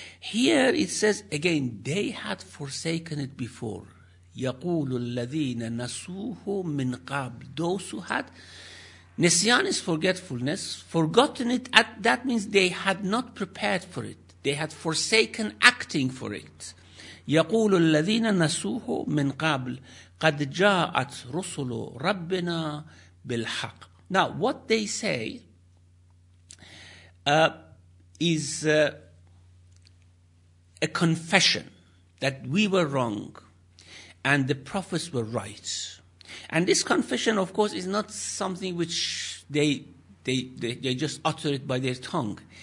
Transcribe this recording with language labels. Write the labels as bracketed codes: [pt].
[en] Here it says again, they had forsaken it before. [ar] يَقُولُ الَّذِينَ نَسُوهُ مِنْ قَبْلِ, [en] those who had, nisyan is forgetfulness, forgotten it, that means they had not prepared for it. They had forsaken acting for it. [ar] يقول الذين نسوه من قبل قد جاءت رسل ربنا بالحق. [en] Now, what they say is a confession that we were wrong and the prophets were right. And this confession, of course, is not something which they just utter it by their tongue.